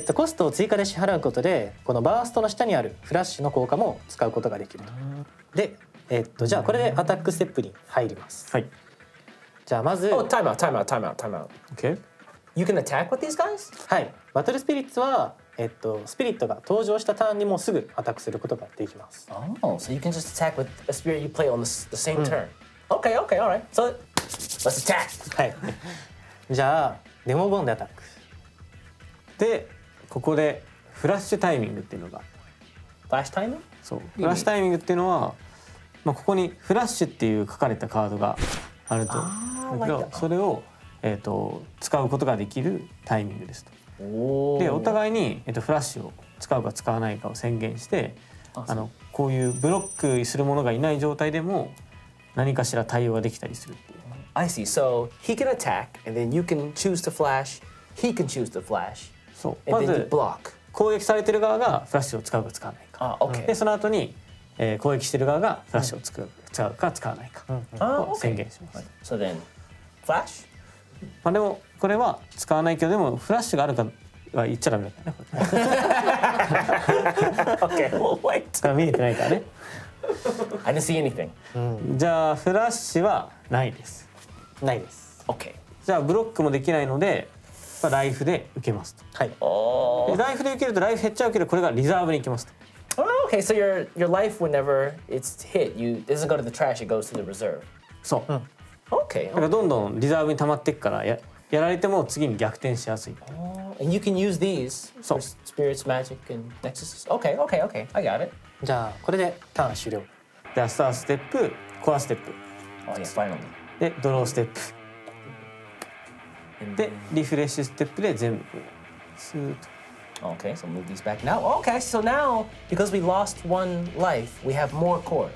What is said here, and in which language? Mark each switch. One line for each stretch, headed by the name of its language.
Japanese: で、コストを追加で支払うことでこのバーストの下にあるフラッシュの効果も使うことができると。で、じゃあこれでアタックステップに入ります。はい。じゃあまず
English: Oh, time out. Okay. You can attack with these guys?
Japanese: はい。バトルスピリッツは、スピリットが登場したターンにもすぐアタックすることができます。
English: Oh, so you can just attack with a spirit you play on the same turn. Okay, okay, all right. So, let's attack!
Japanese: はい。じゃあ、デモボンでアタック。で、ここでフラッシュタイミングっていうのが。フラッシュタイミング? そう。フラッシュタイミングっていうのは、まあ、ここにフラッシュっていう書かれたカードがあると。だけど、それを使うことができるタイミングですと。でお互いに、フラッシュを使うか使わないかを宣言して、こういうブロックするものがいない状態でも何かしら対応ができたりするっていう。
English: I see. So he can attack and then you can choose to flash. He can choose to flash.
Japanese: そう。まず block. 攻撃されてる側がフラッシュを使うか使わないか。
English: Okay.
Japanese: でその後に、攻撃してる側がフラッシュを使うか使わないかを宣言します。
English: So then flash?
Japanese: まあ、でもこれは使わないけどでもフラッシュがあるか言っちゃダメだね。
English: Okay, we'll wait.
Japanese: 見えてないからね。
English: I didn't see anything.
Japanese: じゃあフラッシュはないです。ないです。
English: Okay.
Japanese: じゃあブロックもできないので、ライフで受けますと。はい。で、ライフで受けるとライフ減っちゃうけど、これがリザーブに行きますと。
English: Oh, okay, so your life whenever it's hit, you it doesn't go to the trash, it goes to the reserve.
Japanese: そう。
English: うん、okay, okay.
Japanese: だからどんどんリザーブに溜まっていくから、やられても次に逆転しやすい。
English: Oh, and you can use these for spirits, magic, and nexus. Okay, okay, okay. I got it.
Japanese: じゃあこれでターン終了。じゃあスターステップ、コアステップ。
English: Oh, yeah, finally.
Japanese: で、ドローステップ。で、リフレッシュステップで全部スーッと。
English: Okay, so move these back now. Okay, so now, because we lost one life, we have more cores.